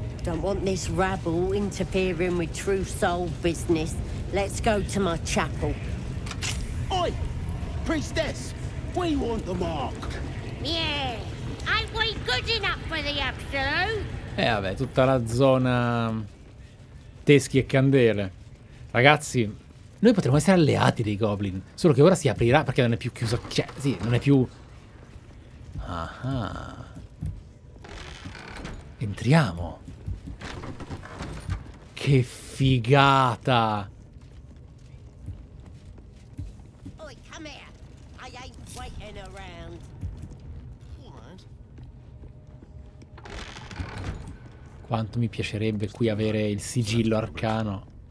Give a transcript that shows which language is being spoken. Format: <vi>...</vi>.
<en>Don't want this rabble interfering with true soul business. Let's go to my chapel. Oi! Priestess! We want the mark! Yeah! Aren't we good enough for the absolute?</en> <it>Vabbè, tutta la zona. Teschi e candele. Ragazzi, noi potremmo essere alleati dei goblin. Solo che ora si aprirà perché non è più chiuso. Cioè, sì, non è più. Entriamo. Che figata!</it> <en>Oi, come here. I ain't waiting around. What?</en> <it>Quanto mi piacerebbe qui avere il sigillo arcano.</it>